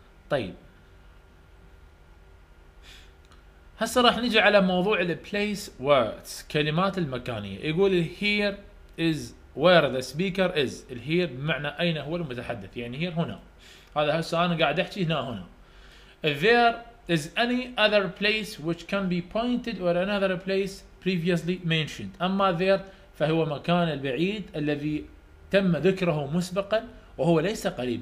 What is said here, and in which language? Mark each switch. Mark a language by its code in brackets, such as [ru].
[ar] طيب هسه راح نجي على موضوع place words كلمات المكانية يقول [en] here is where the speaker is here [ar] بمعنى اين هو المتحدث يعني here هنا هذا هسه انا قاعد احكي هنا هنا. [en] There is any other place which can be pointed or another place previously mentioned. [ar] اما there فهو مكان البعيد الذي تم ذكره مسبقا وهو ليس قريب.